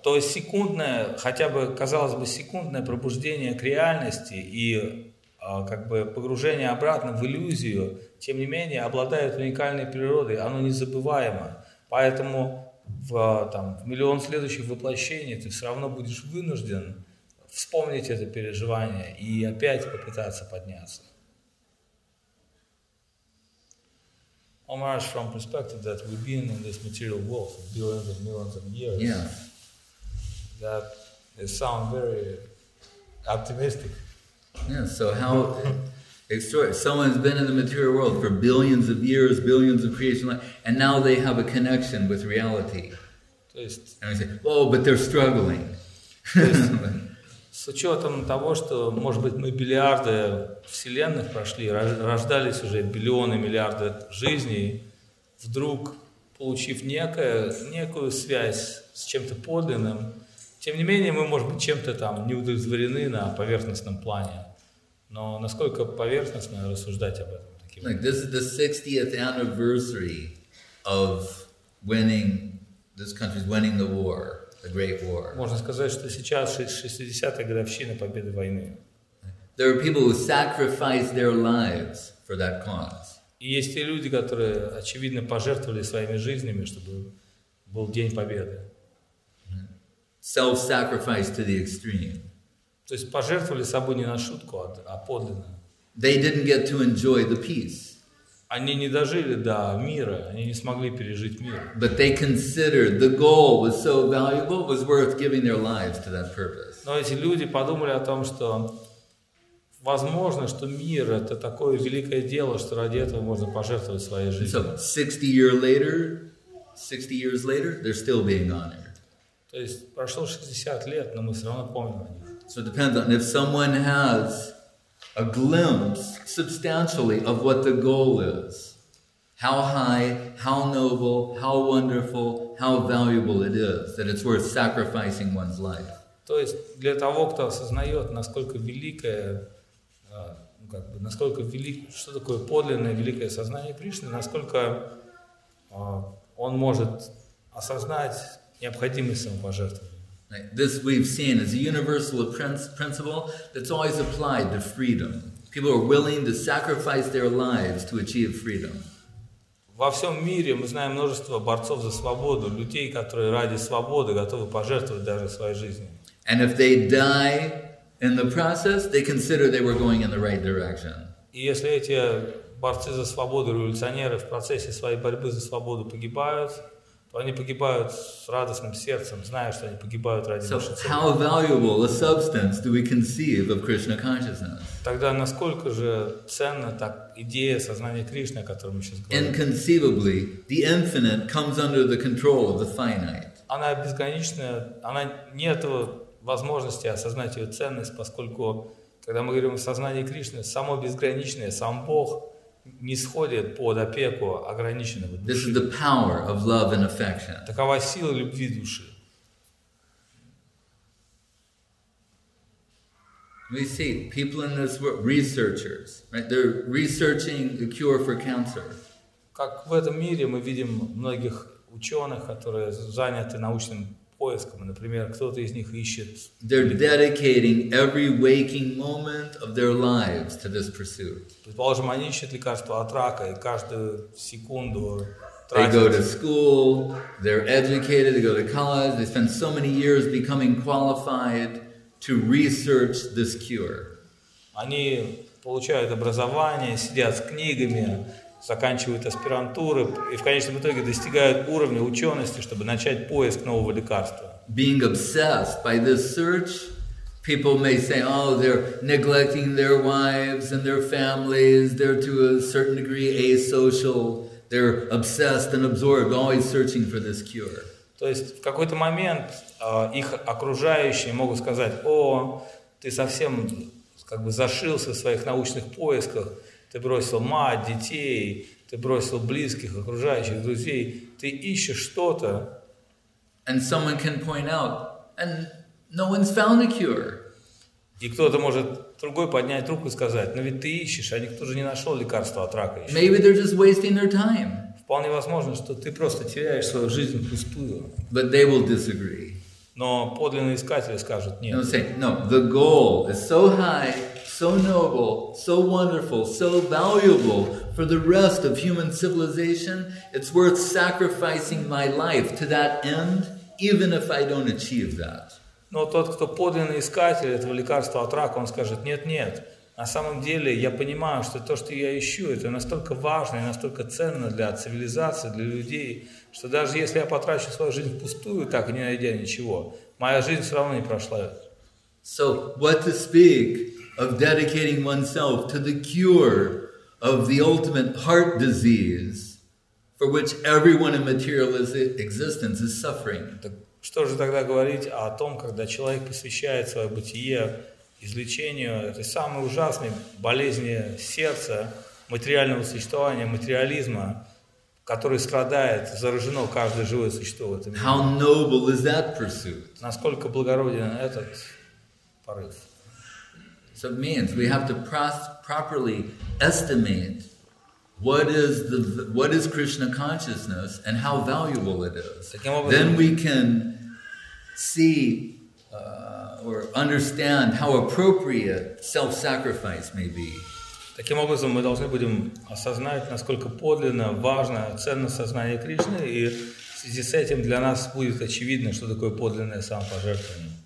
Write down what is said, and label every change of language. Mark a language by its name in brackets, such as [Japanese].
[Russian] То есть секундное, хотя бы, казалось бы, секундное пробуждение к реальности и как бы погружение обратно в иллюзию, тем не менее, обладает уникальной природой, оно незабываемо. Поэтому в миллион следующих воплощений ты все равно будешь вынужден вспомнить это переживание и опять попытаться подняться. [English] Омараш, from perspective that we've been in this material world for billions and millions of years, yeah. That sounds very optimistic. Yeah, so how extraordinary. Someone has been in the material world for billions of years, billions of creation life, and now they have a connection with reality. [Russian] То есть, [English] and we say, oh, but they're struggling. [Russian] С учетом того, что, может быть, мы миллиарды вселенных прошли, рождались уже биллионы, миллиарды жизней, вдруг, получив некую связь с чем-то подлинным, тем не менее, мы, может быть, чем-то там не удовлетворены на поверхностном плане. Но насколько поверхностно рассуждать об этом? Таким? [English] Like, this is the 60th anniversary of winning, this country's winning the war. The Great War. [Russian] Можно сказать, что сейчас 60-я годовщина победы войны. [English] There are people who sacrifice their lives for that cause. [Russian] И есть те люди, которые очевидно пожертвовали своими жизнями, чтобы был день победы. [English] Self-sacrifice to the extreme. [Russian] То есть пожертвовали собой не на шутку, а подлинно. [English] They didn't get to enjoy the peace. [Russian] Они не дожили до мира, они не смогли пережить мир. [English] But they considered the goal was so valuable, was worth giving their lives to that purpose. [Russian] Но эти люди подумали о том, что возможно, что мир — это такое великое дело, что ради этого можно пожертвовать своей жизнью. [English] So 60 years later, they're still being honored. [Russian] То есть прошло 60 лет, но мы все равно помним о них. [English] So it depends on if someone has a glimpse, substantially, of what the goal is. How high, how noble, how wonderful, how valuable it is, that it's worth sacrificing one's life. [Russian] То есть, для того, кто осознает, насколько великое, как бы, насколько велик, что такое подлинное великое сознание Кришны, насколько он может осознать необходимость самопожертвования. [English] This we've seen is a universal principle that's always applied to freedom. People are willing to sacrifice their lives to achieve freedom. [Russian] Во всем мире мы знаем множество борцов за свободу, людей, которые ради свободы готовы пожертвовать даже своей жизнью. [English] And if they die in the process, they consider they were going in the right direction. [Russian] И если эти борцы за свободу, революционеры в процессе своей борьбы за свободу погибают, они погибают с радостным сердцем, зная, что они погибают ради нашей цели. [English] So how valuable a substance do we conceive of Krishna consciousness? [Russian] Тогда насколько же ценна та идея сознания Кришны, о котором мы сейчас говорим? [English] Inconceivably, the infinite comes under the control of the finite. [Russian] Она безграничная, она нет возможности осознать ее ценность, поскольку, когда мы говорим о сознании Кришны, само безграничное, сам Бог не сходит под опеку ограниченного души. [English] This is the power of love and affection. [Russian] Такова сила любви души. [English] We see people in this world, researchers, right? They're researching a cure for cancer. [Russian] Как в этом мире мы видим многих ученых, которые заняты научным поиском. Например, кто-то из них ищет. [English] They're dedicating every waking moment of their lives to this pursuit. [Russian] Предположим, они ищут лекарство от рака и каждую секунду. [English] They go to school. They're educated. They go to college. They spend so many years becoming qualified to research this cure. [Russian] Они получают образование, сидят с книгами, заканчивают аспирантуры и в конечном итоге достигают уровня учености, чтобы начать поиск нового лекарства. [English] Being obsessed by this search, people may say, oh, they're neglecting their wives and their families, they're to a certain degree asocial, they're obsessed and absorbed, always searching for this cure. [Russian] То есть в какой-то момент их окружающие могут сказать, о, ты совсем как бы зашился в своих научных поисках, ты бросил мать, детей, ты бросил близких, окружающих, друзей. Ты ищешь что-то. [English] And someone can point out, and no one's found a cure. [Russian] И кто-то может другой поднять руку и сказать, ну ведь ты ищешь, а никто же не нашел лекарства от рака еще. [English] Maybe they're just wasting their time. [Russian] Вполне возможно, что ты просто теряешь свою жизнь впустую. [English] But they will disagree. [Russian] Но подлинные искатели скажут нет. [English] They'll say, no, the goal is so high, so noble, so wonderful, so valuable for the rest of human civilization, it's worth sacrificing my life to that end, even if I don't achieve that. [Russian] Но тот, кто подлинный искатель этого лекарства от рака, он скажет, нет-нет, на самом деле я понимаю, что то, что я ищу, это настолько важно и настолько ценно для цивилизации, для людей, что даже если я потрачу свою жизнь впустую, так и не найдя ничего, моя жизнь все равно не прошла. [English] So, what to speak of dedicating oneself to the cure of the ultimate heart disease for which everyone in material existence is suffering? [Russian] Что же тогда говорить о том, когда человек посвящает свое бытие излечению этой самой ужасной болезни сердца, материального существования, материализма, который страдает, заражено каждое живое существо в этом мире? [English] How noble is that pursuit? [Russian] Насколько благороден этот порыв? [English] So it means we have to properly estimate what is Krishna consciousness and how valuable it is. Then we can see or understand how appropriate self-sacrifice may be. [Russian] Таким образом, мы должны будем осознать, насколько подлинно важно ценно сознание Кришны, и в связи с этим для нас будет очевидно, что такое подлинное самопожертвование.